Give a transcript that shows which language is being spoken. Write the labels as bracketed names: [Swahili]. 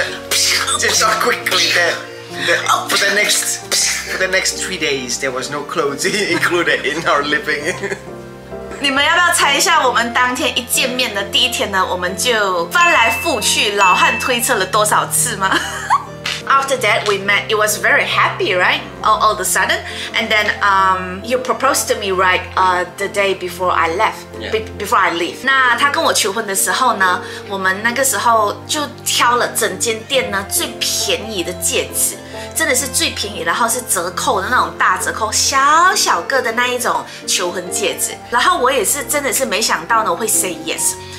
[English] just so quickly for the next 3 days, there was no clothes included in our living. [Chinese] 你们要不要猜一下，我们当天一见面的第一天呢，我们就翻来覆去、老汉推测了多少次吗？ [English] After that, we met. It was very happy, right? All of a sudden. And then you proposed to me, right, the day before I left. Before I leave. [Chinese] 那他跟我求婚的时候呢，我们那个时候就挑了整间店呢最便宜的戒指，真的是最便宜，然后是折扣的那种大折扣，小小个的那一种求婚戒指。然后我也是真的是没想到呢，我会 [English] say yes。